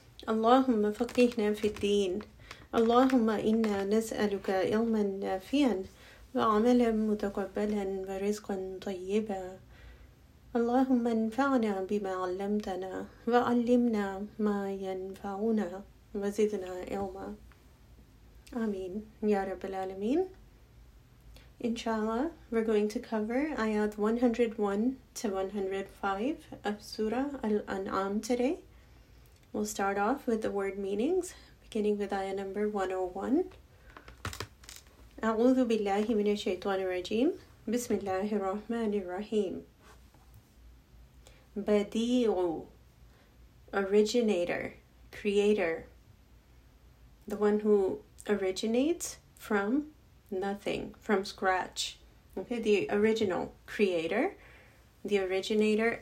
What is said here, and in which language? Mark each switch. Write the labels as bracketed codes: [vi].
[ar] اللهم فقهنا في الدين. اللهم إنا نسألك علما نافيا وعملا متقبلا ورزقا طيبا. اللهم انفعنا بما علمتنا وعلمنا ما ينفعنا وزدنا علما. آمين يا رب العالمين. [en] Inshallah, we're going to cover ayat 101 to 105 of Surah Al-An'am today. We'll start off with the word meanings, beginning with ayah number 101. [ar] أعوذ بالله من الشيطان الرجيم. بسم الله الرحمن الرحيم. [en] بديع، originator, creator, the one who originates from nothing, from scratch. Okay, the original creator, the originator.